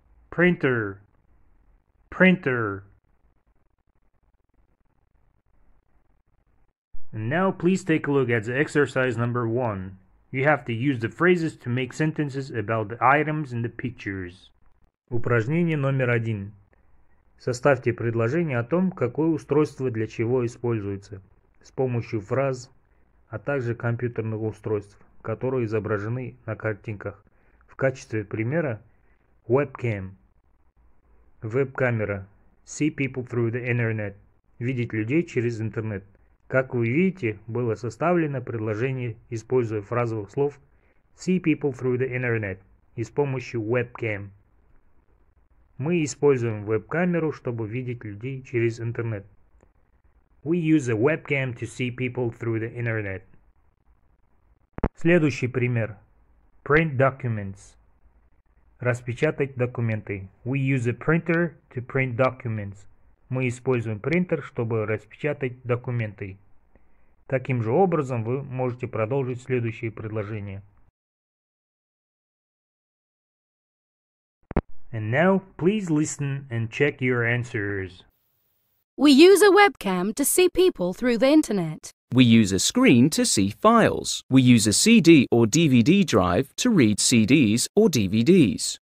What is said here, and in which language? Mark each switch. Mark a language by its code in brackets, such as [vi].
[en] Printer, printer. And now please take a look at the exercise number one. You have to use the phrases to make sentences about the items in the pictures. [ru] Упражнение номер один. Составьте предложение о том, какое устройство для чего используется. С помощью фраз, а также компьютерных устройств, которые изображены на картинках. В качестве примера webcam, веб-камера, [en] see people through the internet, [ru] видеть людей через интернет. Как вы видите, было составлено предложение, используя фразовых слов [en] see people through the internet [ru] и с помощью webcam. Мы используем веб-камеру, чтобы видеть людей через интернет. [en] We use a webcam to see people through the internet. [ru] Следующий пример. [en] Print documents. [ru] Распечатать документы. [en] We use a printer to print documents. [ru] Мы используем принтер, чтобы распечатать документы. Таким же образом вы можете продолжить следующее предложение. [en] And now, please listen and check your answers. We use a webcam to see people through the internet. We use a screen to see files. We use a CD or DVD drive to read CDs or DVDs.